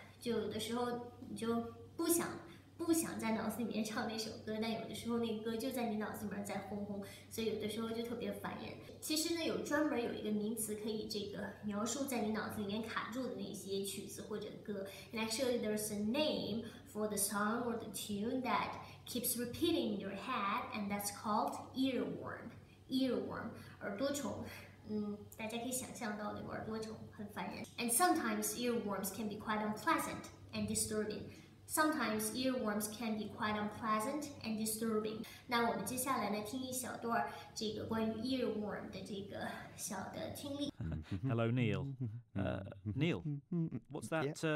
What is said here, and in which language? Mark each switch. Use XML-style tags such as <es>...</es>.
<zh>就有的时候你就不想在脑子里面唱那首歌，但有的时候那歌就在你脑子里面在轰轰，所以有的时候就特别烦人。其实呢，有专门有一个名词可以这个描述在你脑子里面卡住的那些曲子或者歌。</zh> <en>And actually, there's a name for the song or the tune that keeps repeating in your head, and that's called earworm.</en> <zh>Earworm, 耳朵虫。大家可以想象到那个耳朵虫很烦人。</zh> <en>And sometimes earworms can be quite unpleasant and disturbing. Sometimes earworms can be quite unpleasant and disturbing.</en> <zh>那我们接下来呢，听一小段这个关于 earworm 的这个小的听力。</zh> <en>Hello, Neil. Neil, what's that?</en>